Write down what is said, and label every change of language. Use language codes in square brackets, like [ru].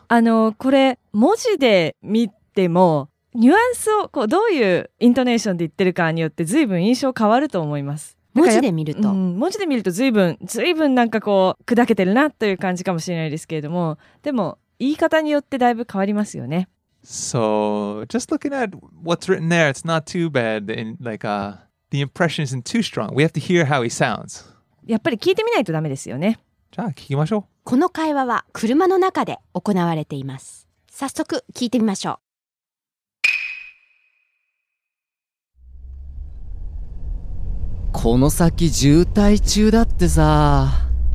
[ja] これ文字で見てもニュアンスをこうどういうイントネーションで言ってるかによって随分印象変わると思います。文字で見ると、文字で見ると随分なんかこう砕けてるなという感じかもしれないですけれども、でも言い方によってだいぶ変わりますよね。 [en] So, just looking at what's written there, it's not too bad. And like, the impression isn't too strong. We have to hear how he sounds. [ja] やっぱり聞いてみないとダメですよね。じゃあ聞きましょう。この会話は車の中で行われています。早速聞いてみましょう。この先渋滞中だってさ。